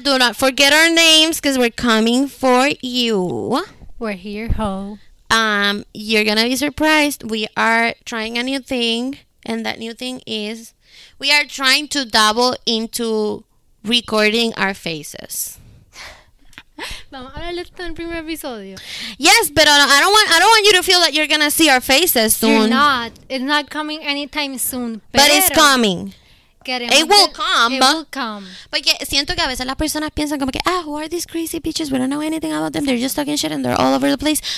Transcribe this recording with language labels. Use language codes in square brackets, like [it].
[en] Do not forget our names because we're coming for you. We're here, ho. You're gonna be surprised. We are trying a new thing, and that new thing is we are trying to double into recording our faces. [es] Vamos a hablar de esto en el primer episodio. [en] Yes, but I don't want you to feel that you're gonna see our faces soon. You're not. It's not coming anytime soon. But it's coming. It will come. It will come. [es] Porque siento que a veces las personas piensan como que, ah, [en] who are these crazy bitches? We don't know anything about them. They're just talking shit and they're all over the place.